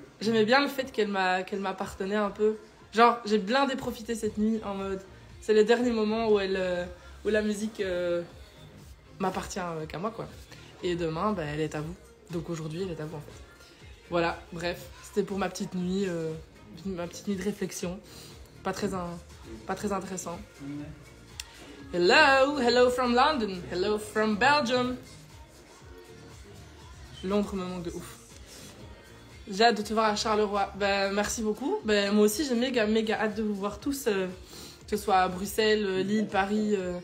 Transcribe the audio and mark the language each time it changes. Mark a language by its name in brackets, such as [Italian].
[French] J'aimais bien le fait qu'elle m'appartenait un peu. Genre, j'ai blindé profité cette nuit, en mode... C'est le dernier moment où la musique... m'appartient qu'à moi, quoi. Et demain, bah, elle est à vous. Donc aujourd'hui, elle est à vous, en fait. Voilà, bref, c'était pour ma petite nuit de réflexion. Pas très intéressant. [English] Hello from London, hello from Belgium. [French] Londres me manque de ouf. J'ai hâte de te voir à Charleroi. Bah, merci beaucoup. Bah, moi aussi, j'ai méga hâte de vous voir tous, que ce soit à Bruxelles, Lille, Paris...